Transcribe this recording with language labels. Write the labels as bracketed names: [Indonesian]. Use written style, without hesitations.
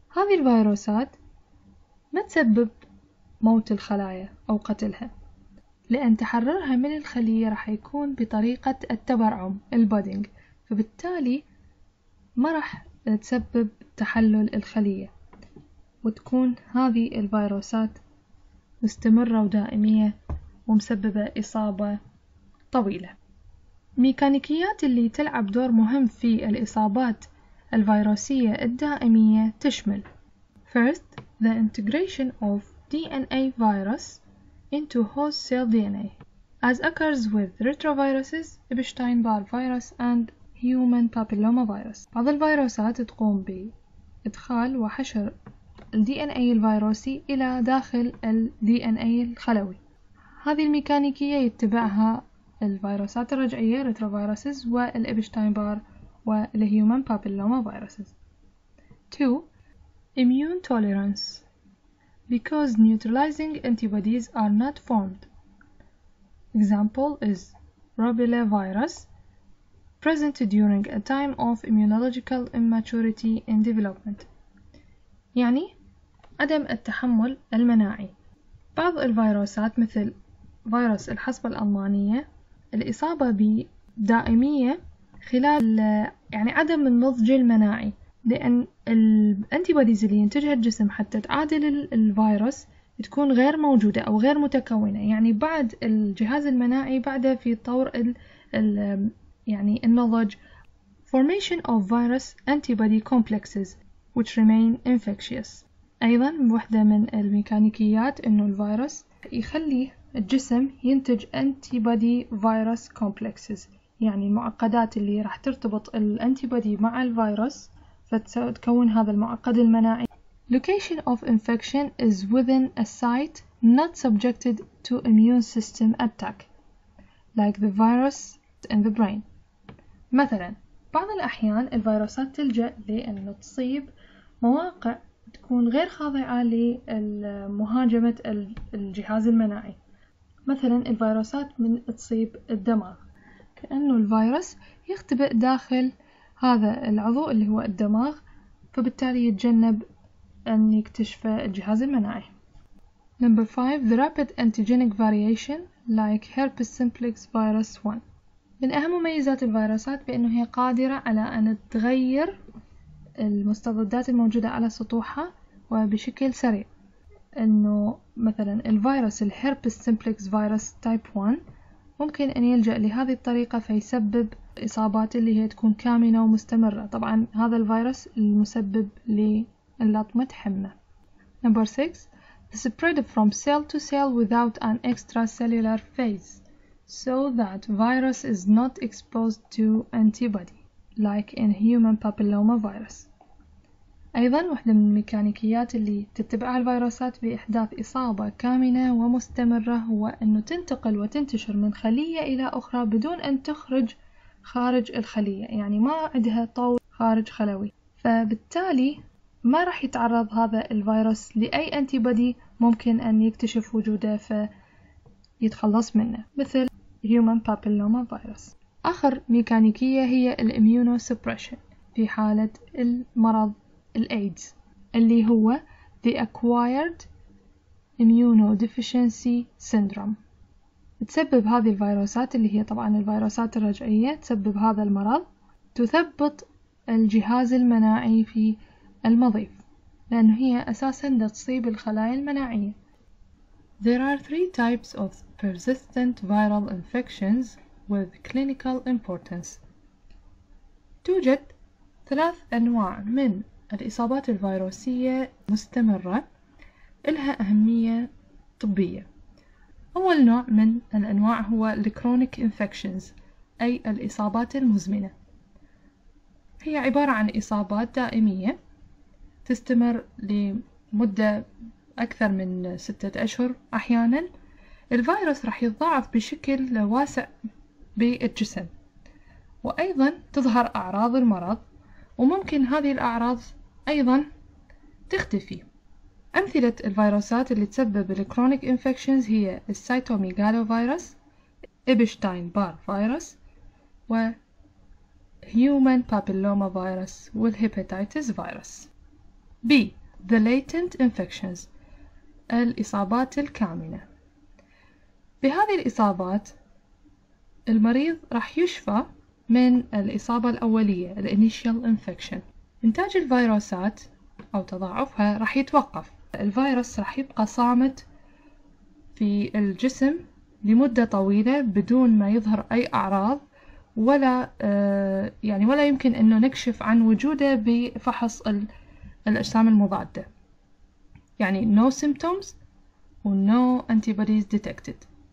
[Arabic] هذه الفيروسات ما تسبب موت الخلايا أو قتلها، لأن تحررها من الخلية راح يكون بطريقة التبرعم البودينج، فبالتالي ما راح تسبب تحلل الخلية وتكون هذه الفيروسات مستمرة ودائمية ومسببة إصابة طويلة. ميكانيكيات اللي تلعب دور مهم في الإصابات الفيروسية الدائمية تشمل [English] First, the integration of DNA virus into host cell DNA as occurs with retroviruses, Epstein-Barr virus and human papilloma virus. [Arabic] بعض الفيروسات تقوم بإدخال وحشر DNA الفيروسي إلى داخل DNA الخلوي. هذه الميكانيكية يتبعها الفيروسات الرجعية retroviruses والإبشتاين-بار والهيومن بابيلوما فيروسز. 2. [English] Immune tolerance because neutralizing antibodies are not formed. Example is Rubella virus present during a time of immunological immaturity in development. [Arabic] يعني عدم التحمل المناعي. بعض الفيروسات مثل فيروس الحصبة الألمانية الإصابة بدائمية خلال يعني عدم النضج المناعي، لأن الأنتيبوديز اللي ينتجها الجسم حتى تعادل الفيروس تكون غير موجودة أو غير متكونة، يعني بعد الجهاز المناعي بعده في طور الـ يعني النضج. [English] Formation of virus antibody complexes which remain infectious. [Arabic] ايضا واحدة من الميكانيكيات انه الفيروس يخلي الجسم ينتج antibody virus complexes، يعني المعقدات اللي راح ترتبط الانتيبودي مع الفيروس فتكون هذا المعقد المناعي. [English] Location of infection is within a site not subjected to immune system attack like the virus in the brain. [Arabic] مثلا بعض الاحيان الفيروسات تلجأ لانه تصيب مواقع تكون غير خاضعة لمهاجمة الجهاز المناعي، مثلا الفيروسات من تصيب الدماغ، كأنه الفيروس يختبئ داخل هذا العضو اللي هو الدماغ فبالتالي يتجنب أن يكتشف الجهاز المناعي. [English] Number 5. The rapid antigenic variation like herpes simplex virus 1. [Arabic] من أهم مميزات الفيروسات بأنه هي قادرة على أن تغير المستضدات الموجودة على سطوحها وبشكل سريع، أنه مثلاً الفيروس الهيربس سيمبلكس فيروس تايب 1 ممكن أن يلجأ لهذه الطريقة فيسبب إصابات اللي هي تكون كامنة ومستمرة، طبعاً هذا الفيروس المسبب للطمة حمى. [English] Number 6. The spread from cell to cell without an extracellular phase so that virus is not exposed to antibody like in human papilloma virus. [Arabic] ايضا واحدة من الميكانيكيات اللي تتبعها الفيروسات باحداث اصابة كامنة ومستمرة هو انه تنتقل وتنتشر من خلية الى اخرى بدون ان تخرج خارج الخلية، يعني ما عندها طول خارج خلوي، فبالتالي ما راح يتعرض هذا الفيروس لاي انتيبودي ممكن ان يكتشف وجوده ف يتخلص منه مثل Human Papilloma Virus. آخر ميكانيكية هي الإميونوسبريشن في حالة المرض الإيدز اللي هو The Acquired Immunodeficiency Syndrome. تسبب هذه الفيروسات اللي هي طبعا الفيروسات الرجعية تسبب هذا المرض تثبط الجهاز المناعي في المضيف لأنه هي أساسا تصيب الخلايا المناعية. [English] There are three types of persistent viral infections with clinical importance. [Arabic] توجد ثلاث أنواع من الإصابات الفيروسية مستمرة لها أهمية طبية. أول نوع من الأنواع هو chronic infections أي الإصابات المزمنة. هي عبارة عن إصابات دائمية تستمر لمدة أكثر من 6 أشهر أحياناً. الفيروس راح يتضاعف بشكل واسع بالجسم وأيضاً تظهر أعراض المرض وممكن هذه الأعراض أيضاً تختفي. أمثلة الفيروسات اللي تسبب الكرونيك إنفكشنز هي السيتوميغالو فيروس، إبشتاين بار فيروس وهيومان بابيلوما فيروس والهيباتيتس فيروس. B. [English] The latent infections [Arabic] الإصابات الكامنة. بهذه الإصابات المريض راح يشفى من الإصابة الأولية الـ initial infection. إنتاج الفيروسات أو تضاعفها راح يتوقف، الفيروس راح يبقى صامت في الجسم لمدة طويلة بدون ما يظهر أي أعراض ولا يعني ولا يمكن أنه نكشف عن وجوده بفحص الأجسام المضادة، يعني [English] no symptoms [Arabic] و [English] no antibodies detected.